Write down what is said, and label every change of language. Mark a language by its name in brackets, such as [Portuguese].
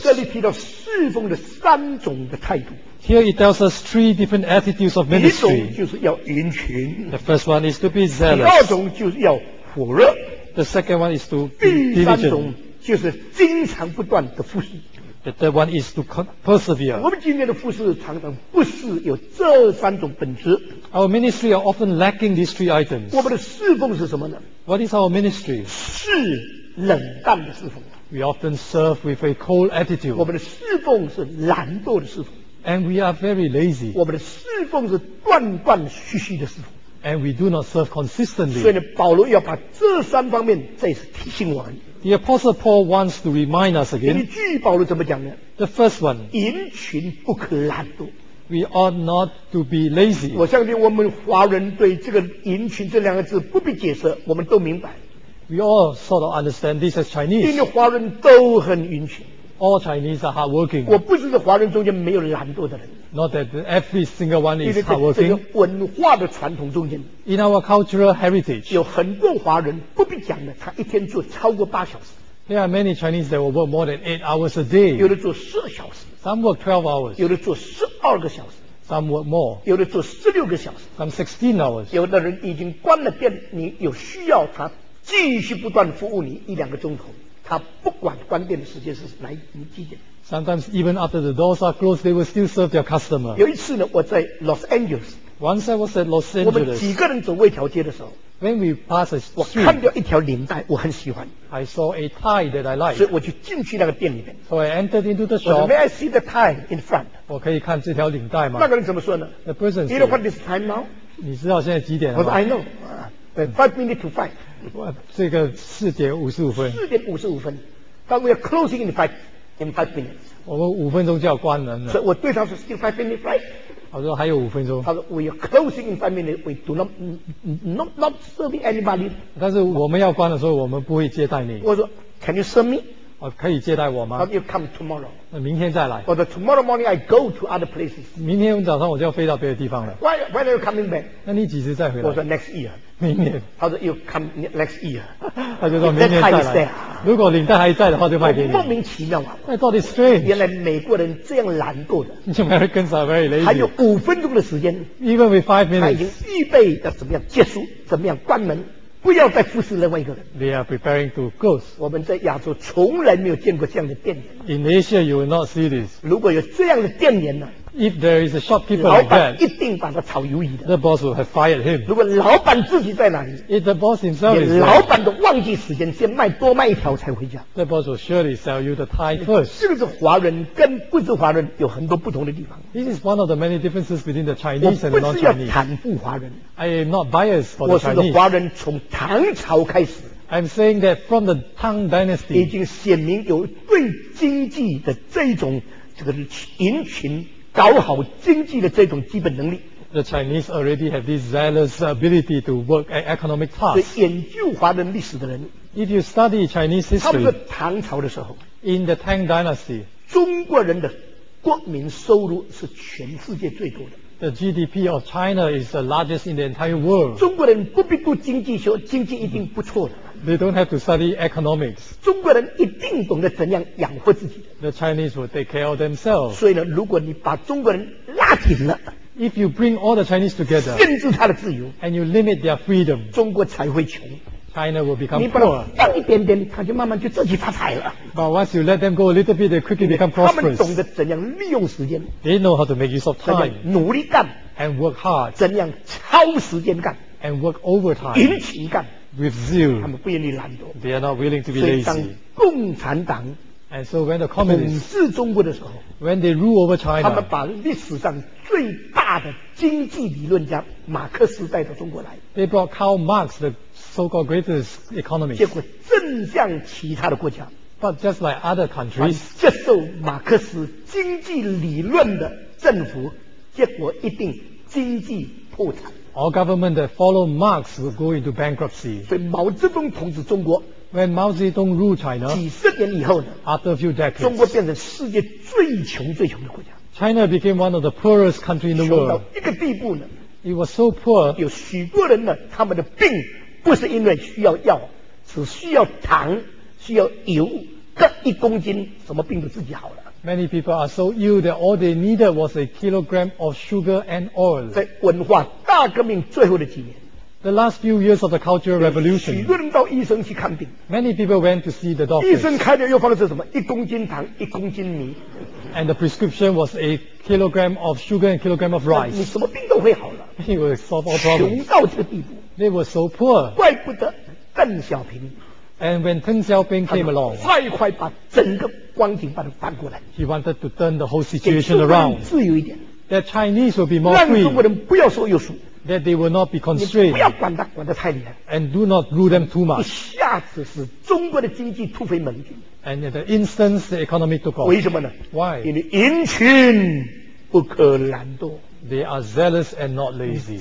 [Chinese] 这里提到侍奉的三种的态度。 [English] Here it tells us three different attitudes of ministry. [Chinese] 第一种就是要殷勤。 [English] The first one is to be zealous. [Chinese] 第二种就是要火热。 [English] The second one is to be diligent. [Chinese] 第三种就是经常不断的服侍。 [English] The third one is to persevere. [Chinese] 我们今天的服侍常常不是有这三种本质。 [English] Our ministry are often lacking these three items. [Chinese] 我们的侍奉是什么呢？ [English] What is our ministry? [Chinese] 是冷淡的侍奉。 [English] We often serve with a cold attitude. [Chinese] 我们的侍奉是懒惰的侍奉。 [English] And we are very lazy. [Chinese] 我们的侍奉是断断续续的侍奉。 [English] And we do not serve consistently. [Chinese] 所以呢，保罗要把这三方面再次提醒我们。 [English] The Apostle Paul wants to remind us again. [Chinese] 你注意保罗怎么讲呢？ [English] The first one. [Chinese] 殷勤不可懒惰。 [English] We ought not to be lazy. [Chinese] 我相信我们华人对这个殷勤这两个字不必解释，我们都明白。 [English] We all sort of understand this as Chinese. [Chinese] 因为华人都很殷勤。 [English] All Chinese are hardworking. [Chinese] 我不是说华人中间没有懒惰的人。 [English] Not that every single one is hardworking. [Chinese] 这个文化的传统中间 [English] ，in our cultural heritage， [Chinese] 有很多华人不必讲的，他一天做超过八小时。 [English] There are many Chinese that will work more than 8 hours a day. [Chinese] 有的做十小时。 [English] Some work 12 hours. [Chinese] 有的做十二个小时。 [English] Some work more. [Chinese] 有的做十六个小时。 [English] Some 16 hours. [Chinese] 有的人已经关了店，你有需要他继续不断服务你一两个钟头，他不管关店的时间是哪一几点。 [English] Sometimes even after the doors are closed, they will still serve their customer. [Chinese] 有一次呢，我在 Los Angeles. [English] Once I was at Los Angeles. [Chinese] 我们几个人走过一条街的时候， [English] when we pass a [Chinese] street, 我看到一条领带，我很喜欢。 [English] I saw a tie that I like. [Chinese] 所以我就进去那个店里面。 [English] So I entered into the shop. [Chinese] 我说 [English] May I see the tie in front? [Chinese] 我可以看这条领带吗？那个人怎么说呢？ [English] The person said, You know what this time now? [Chinese] 你知道现在几点了吗？我说 [English] I know. Five minutes to 5. [Chinese] 哇，这个4:55。 4:55，但我要 [English] closing in five。 In 5 minutes. [Chinese] 我们五分钟就要关门了。所以我对他说 [English] ，Still 5 minutes, right? [Chinese] 他说还有五分钟。他说 [English] ，We are closing in 5 minutes. We do not serve anybody. [Chinese] 但是我们要关的时候，我们不会接待你。我说 [English] ，Can you serve me? [Chinese] 可以接待我吗？ [English] But you come tomorrow. [Chinese] 明天再来。 [English] Or the tomorrow morning I go to other places. [Chinese] 明天早上我就要飞到别的地方了。 [English] When are you coming back? [Chinese] 那你几时再回来？我说 [English] next year. [Chinese] 明年。他说 [English] you come next year. [Chinese] 他就说明年再来。如果领带还在的话，就卖给你。莫名其妙啊！那到底 [English] strange？ [Chinese] 原来美国人这样懒惰的。 [English] Americans are very lazy. [Chinese] 还有五分钟的时间。 [English] Even with 5 minutes. [Chinese] 他已经预备要怎么样结束，怎么样关门。不要再服侍另外一个人。 [English] They are preparing to close. [Chinese] 我们在亚洲从来没有见过这样的店员。 [English] In Asia, you will not see this. [Chinese] 如果有这样的店员呢？ [English] If there is a shopkeeper like that, [Chinese] 老板一定把他炒鱿鱼的。 [English] The boss will have fired him. [Chinese] 如果老板自己在哪里？ [English] If the boss himself is there, [Chinese] 老板都忘记时间，先卖多卖一条才回家。 [English] The boss will surely sell you the tie first. [Chinese] 是不是华人跟不是华人有很多不同的地方？ [English] This is one of the many differences between the Chinese and non-Chinese. [Chinese] 我不是要袒护华人。 [English] I am not biased for the Chinese. [Chinese] 我是华人从唐朝开始。 [English] I'm saying that from the Tang Dynasty, [Chinese] 已经显明有对经济的这种这个营群。搞好经济的这种基本能力。 [English] The Chinese already have this zealous ability to work at economic tasks. [Chinese] 所以研究华人历史的人， [English] If you study Chinese history, [Chinese] 差不多唐朝的时候， [English] In the Tang Dynasty, [Chinese] 中国人的国民收入是全世界最多的。 [English] The GDP of China is the largest in the entire world. [Chinese] 中国人不必读经济学，经济一定不错的。 [English] They don't have to study economics. [Chinese] 中国人一定懂得怎样养活自己。 [English] The Chinese will take care of themselves. [Chinese] 所以呢，如果你把中国人拉紧了 [English] ，If you bring all the Chinese together, [Chinese] 限制他的自由 [English] ，and you limit their freedom, [Chinese] 中国才会穷。 [English] China will become poor. [Chinese] 你把他放一点点，他就慢慢就自己发财了。 [English] But once you let them go a little bit, they quickly become prosperous. [Chinese] 他们懂得怎样利用时间。 [English] They know how to make use of time. [Chinese] 努力干 [English] ，and work hard. [Chinese] 怎样超时间干 [English] ，and work overtime. [Chinese] 殷勤干 [English] ，with zeal. [Chinese] 他们不愿意懒惰。 [English] They are not willing to be lazy. [Chinese] 所以当共产党 [English] And so when the communists [Chinese] 统治中国的时候 [English] ，when they rule over China， [Chinese] 他们把历史上最大的经济理论家马克思带到中国来。 [English] They brought Karl Marx, the so-called greatest economist。 [Chinese] 结果正像其他的国家 [English] ，but just like other countries， [Chinese] 接受马克思经济理论的政府，结果一定经济破产。 [English] All government that follow Marx will go into bankruptcy。 [Chinese] 所以毛泽东统治中国。 [English] When Mao Zedong ruled China, [Chinese] 几十年以后呢 [English] ？After a few decades, [Chinese] 中国变成世界最穷最穷的国家。 [English] China became one of the poorest countries in the world. [Chinese] 穷到一个地步呢 [English] ？It was so poor. [Chinese] 有许多人呢，他们的病不是因为需要药，只需要糖，需要油，各一公斤，什么病都自己好了。 [English] Many people are so ill that all they needed was a kilogram of sugar and oil. [Chinese] 在文化大革命最后的几年。 [English] The last few years of the Cultural Revolution, [Chinese] 许多人到医生去看病。 [English] Many people went to see the doctor. [Chinese] 医生开的药方是什么？一公斤糖，一公斤米。 [English] And the prescription was a kilogram of sugar and kilogram of rice. [Chinese] 你什么病都会好了。 [English] He will solve all problems. [Chinese] 穷到这个地步。 [English] They were so poor. [Chinese] 怪不得邓小平。 [English] And when Deng Xiaoping came along, [Chinese] 快快把整个光景把它翻过来。 [English] He wanted to turn the whole situation around. [Chinese] 给中国人自由一点。 [English] That Chinese will be more free. [Chinese] 让中国人不要说有数。 [English] That they will not be constrained. [Chinese] 你不要管他，管得太厉害。 [English] And do not rule them too much. [Chinese] 一下子使中国的经济突飞猛进。 [English] And at the instant, the economy took off. [Chinese] 为什么呢 [English] ？Why? [Chinese] 因为殷勤不可懒惰。 [English] They are zealous and not lazy.